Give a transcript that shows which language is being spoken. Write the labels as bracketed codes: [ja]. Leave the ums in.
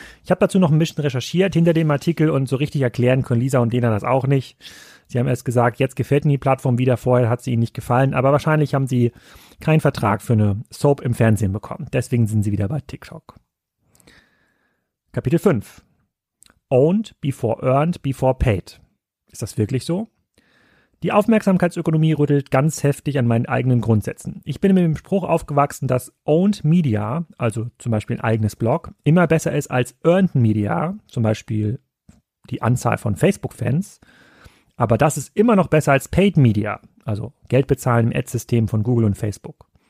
[de] Ich habe dazu noch ein bisschen recherchiert hinter dem Artikel und so richtig erklären können Lisa und Lena das auch nicht. Sie haben erst gesagt, jetzt gefällt ihnen die Plattform wieder, vorher hat sie ihnen nicht gefallen, aber wahrscheinlich haben sie keinen Vertrag für eine Soap im Fernsehen bekommen. Deswegen sind sie wieder bei TikTok. Kapitel 5. [en] Owned before earned before paid. [de] Ist das wirklich so? Die Aufmerksamkeitsökonomie rüttelt ganz heftig an meinen eigenen Grundsätzen. Ich bin mit dem Spruch aufgewachsen, dass Owned Media, also zum Beispiel ein eigenes Blog, immer besser ist als Earned Media, zum Beispiel die Anzahl von Facebook-Fans. Aber das ist immer noch besser als Paid Media, also Geld bezahlen im Ad-System von Google und Facebook.